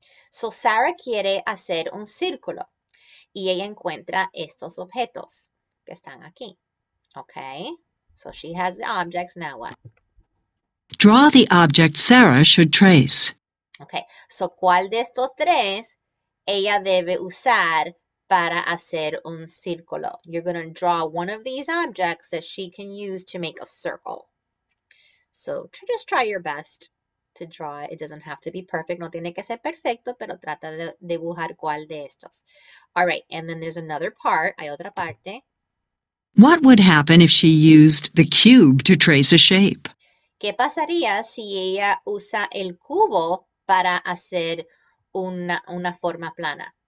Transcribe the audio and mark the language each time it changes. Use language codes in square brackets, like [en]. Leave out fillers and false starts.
[es] So Sarah quiere hacer un círculo y ella encuentra estos objetos que están aquí. [en] Okay, so she has the objects. Now what? Draw the object Sarah should trace. [es] Okay, so ¿cuál de estos tres ella debe usar para hacer un círculo? [en] You're going to draw one of these objects that she can use to make a circle. So just try your best to draw it. It doesn't have to be perfect. [es] No tiene que ser perfecto, pero trata de dibujar cuál de estos. [en] All right, and then there's another part. [es] Hay otra parte. [en] What would happen if she used the cube to trace a shape? [es] ¿Qué pasaría si ella usa el cubo para hacer una forma plana?